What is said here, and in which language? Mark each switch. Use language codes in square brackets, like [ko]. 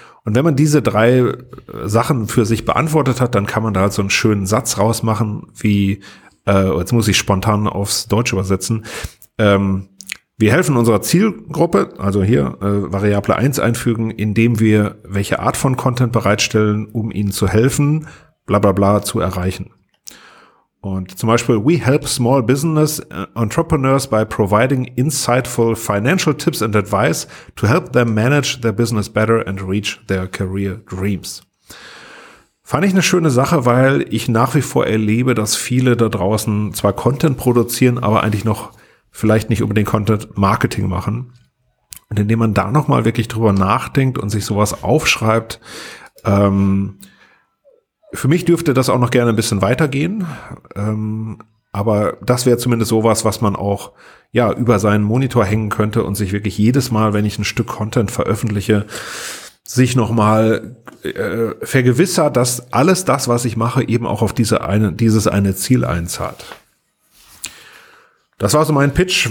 [de] Und wenn man diese 3 Sachen für sich beantwortet hat, dann kann man da halt so einen schönen Satz rausmachen, wie, jetzt muss ich spontan aufs Deutsch übersetzen, wir helfen unserer Zielgruppe, also hier Variable 1 einfügen, indem wir welche Art von Content bereitstellen, um ihnen zu helfen, bla bla bla, zu erreichen. Und zum Beispiel, [en] we help small business entrepreneurs by providing insightful financial tips and advice to help them manage their business better and reach their career dreams. [de] Fand ich eine schöne Sache, weil ich nach wie vor erlebe, dass viele da draußen zwar Content produzieren, aber eigentlich noch vielleicht nicht unbedingt Content Marketing machen. Und indem man da nochmal wirklich drüber nachdenkt und sich sowas aufschreibt, für mich dürfte das auch noch gerne ein bisschen weitergehen, aber das wäre zumindest sowas, was man auch ja über seinen Monitor hängen könnte und sich wirklich jedes Mal, wenn ich ein Stück Content veröffentliche, sich nochmal vergewissert, dass alles das, was ich mache, eben auch auf dieses eine Ziel einzahlt. Das war so mein Pitch.